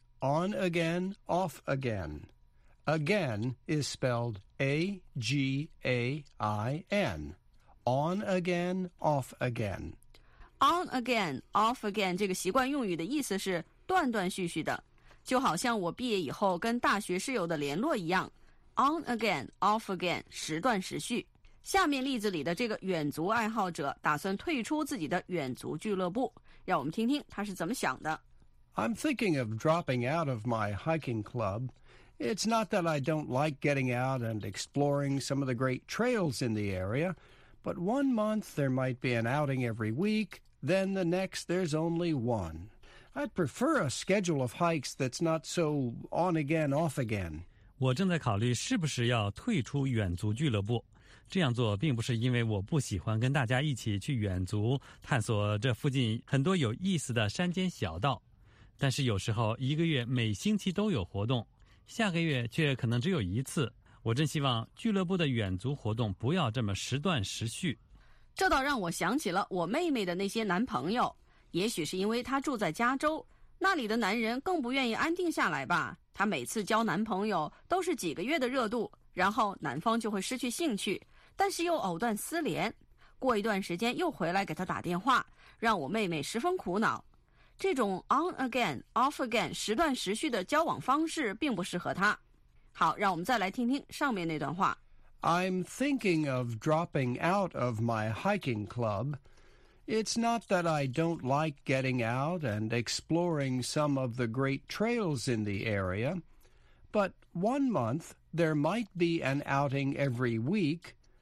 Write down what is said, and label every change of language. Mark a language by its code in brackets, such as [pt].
[en] On again, off again. Again is spelled A-G-A-I-N. On again, off again. [zh] On again, off again 这个习惯用语的意思是断断续续的，就好像我毕业以后跟大学室友的联络一样。 [en] On again, off again, [zh] 时断时续。下面例子里的这个远足爱好者打算退出自己的远足俱乐部，让我们听听他是怎么想的。 [en] I'm thinking of dropping out of my hiking club. It's not that I don't like getting out and exploring some of the great trails in the area. But one month, there might be an outing every week. Then the next, there's only one. I'd prefer a schedule of hikes that's not so on again, off again. [zh] 我正在考虑是不是要退出远足俱乐部。这样做并不是因为我不喜欢跟大家一起去远足，探索这附近很多有意思的山间小道。但是有时候一个月每星期都有活动，下个月却可能只有一次。我真希望俱乐部的远足活动不要这么时断时续。这倒让我想起了我妹妹的那些男朋友，也许是因为她住在加州，那里的男人更不愿意安定下来吧。她每次交男朋友都是几个月的热度，然后男方就会失去兴趣，但是又藕断丝连，过一段时间又回来给她打电话，让我妹妹十分苦恼。这种 on again, off again, 时断时续的交往方式并不适合她。好，让我们再来听听上面那段话。 [en] I'm thinking of dropping out of my hiking club. It's not that I don't like getting out and exploring some of the great trails in the area, But 1 month, there might be an outing every week.